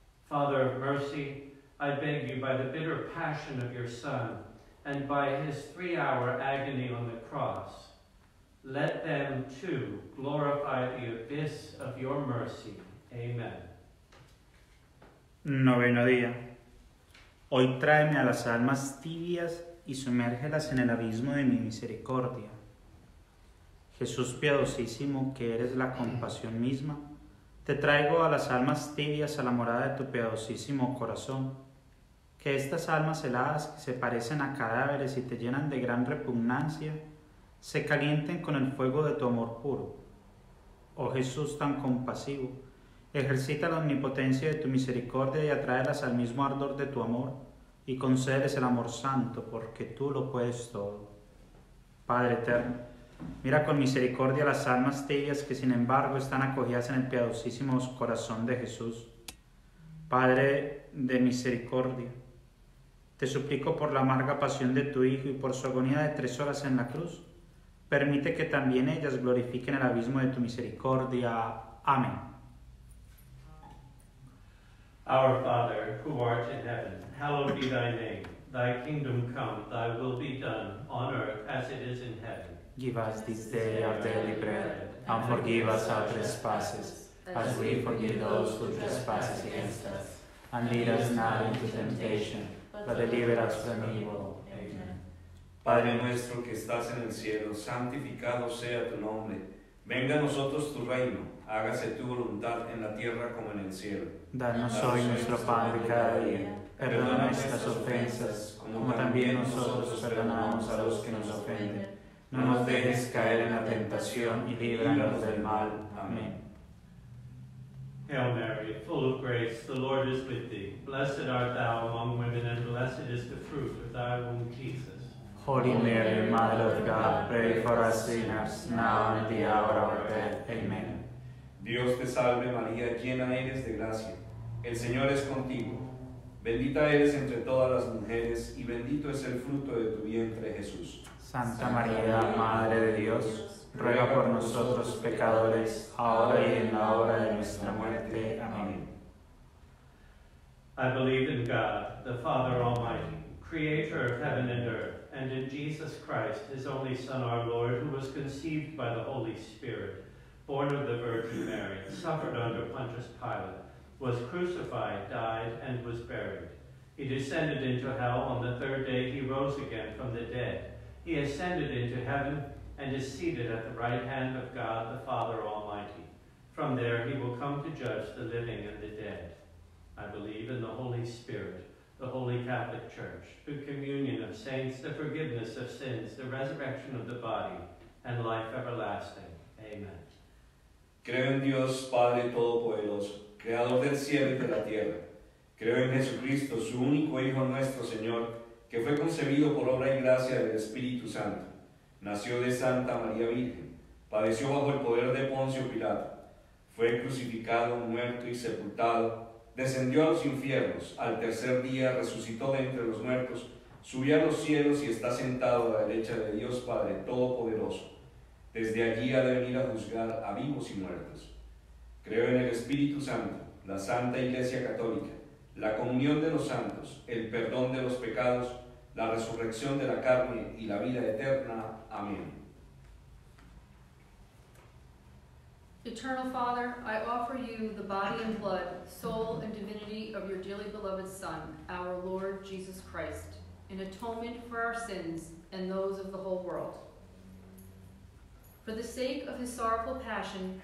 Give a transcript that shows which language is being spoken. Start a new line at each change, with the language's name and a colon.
English: Father of mercy, I beg you by the bitter passion of your Son and by his 3-hour agony on the cross, let them too glorify the abyss of your mercy. Amen.
Spanish: Noveno día. Hoy tráeme a las almas tibias y sumérgelas en el abismo de mi misericordia. Jesús piadosísimo, que eres la compasión misma, te traigo a las almas tibias a la morada de tu piadosísimo corazón. Que estas almas heladas que se parecen a cadáveres y te llenan de gran repugnancia, se calienten con el fuego de tu amor puro. Oh Jesús tan compasivo, ejercita la omnipotencia de tu misericordia y atráelas al mismo ardor de tu amor y concédeles el amor santo, porque tú lo puedes todo. Padre eterno, mira con misericordia las almas tibias que sin embargo están acogidas en el piadosísimo corazón de Jesús. Padre de misericordia, te suplico por la amarga pasión de tu Hijo y por su agonía de 3 horas en la cruz, permite que también ellas glorifiquen el abismo de tu misericordia. Amén.
English: Our Father, who art in heaven, hallowed be thy name. Thy kingdom come, thy will be done, on earth as it is in heaven. Give us this day our daily bread, and forgive us our trespasses, as we forgive those who trespass against us. And lead us not into temptation, but deliver us from evil. Amen.
Spanish: Padre nuestro que estás en el cielo, santificado sea tu nombre. Venga a nosotros tu reino, hágase tu voluntad en la tierra como en el cielo. Danos hoy nuestro pan de cada día, perdona nuestras ofensas, como también nosotros perdonamos a los que nos ofenden. No nos dejes caer en la tentación y líbranos del mal. Amén.
English: Hail Mary, full of grace, the Lord is with thee. Blessed art thou among women, and blessed is the fruit of thy womb, Jesus. Holy Mary, Mother of God, pray for us sinners, now and in the hour of our death. Amen.
Spanish: Dios te salve, María, llena eres de gracia. El Señor es contigo. Bendita eres entre todas las mujeres, y bendito es el fruto de tu vientre, Jesús. Santa María, Madre de Dios, ruega por nosotros, pecadores, ahora y en la hora de nuestra muerte. Amén.
English: I believe in God, the Father Almighty, creator of heaven and earth, and in Jesus Christ, his only Son, our Lord, who was conceived by the Holy Spirit, born of the Virgin Mary, suffered under Pontius Pilate, was crucified, died, and was buried. He descended into hell. On the third day, he rose again from the dead. He ascended into heaven and is seated at the right hand of God, the Father Almighty. From there, he will come to judge the living and the dead. I believe in the Holy Spirit, the Holy Catholic Church, the communion of saints, the forgiveness of sins, the resurrection of the body, and life everlasting. Amen.
Spanish: Creo en Dios, Padre Todopoderoso, Creador del cielo y de la tierra. Creo en Jesucristo, su único Hijo nuestro Señor, que fue concebido por obra y gracia del Espíritu Santo. Nació de Santa María Virgen, padeció bajo el poder de Poncio Pilato, fue crucificado, muerto y sepultado, descendió a los infiernos, al tercer día resucitó de entre los muertos, subió a los cielos y está sentado a la derecha de Dios Padre Todopoderoso. Desde allí ha de venir a juzgar a vivos y muertos. Creo en el Espíritu Santo, la Santa Iglesia Católica, la comunión de los santos, el perdón de los pecados, la resurrección de la carne y la vida eterna. Amén.
English: Eternal Father, I offer you the body and blood, soul and divinity of your dearly beloved Son, our Lord Jesus Christ, in atonement for our sins and those of the whole world. For the sake of his sorrowful passion,